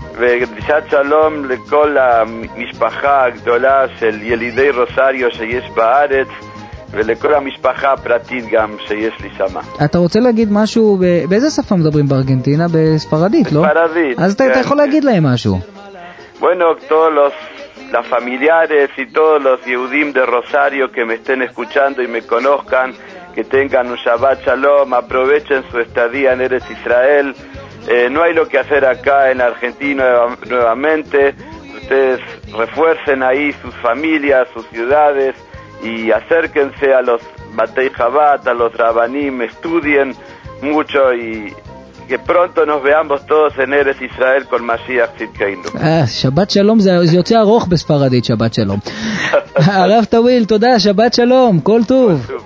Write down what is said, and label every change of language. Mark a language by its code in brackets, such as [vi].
[he] ודרישת שלום לכל המשפחה הגדולה של ילידי רוסריו שיש בארץ, ולכל המשפחה הפרטית גם שיש לי שם. אתה רוצה להגיד משהו, באיזה שפה מדברים בארגנטינה? בספרדית, לא? בספרדית. אז אתה יכול להגיד להם משהו. [es] Bueno, todos los familiares y todos los יהודים de Rosario que me estén escuchando y me conozcan, que tengan un Shabbat Shalom, aprovechen su estadía en Eretz Israel. No hay lo que hacer acá en Argentina nuevamente. Ustedes refuercen ahí sus familias, sus ciudades, y acérquense a los Batei Shabbat, a los Rabanim, estudien mucho y que pronto nos veamos todos en Eretz Israel con Mashiach Tzidkeinu. [he] Shabbat Shalom, זה יוצא ארוך בספרדית, Shabbat Shalom. הרב טוויל, תודה, Shabbat Shalom, כל טוב.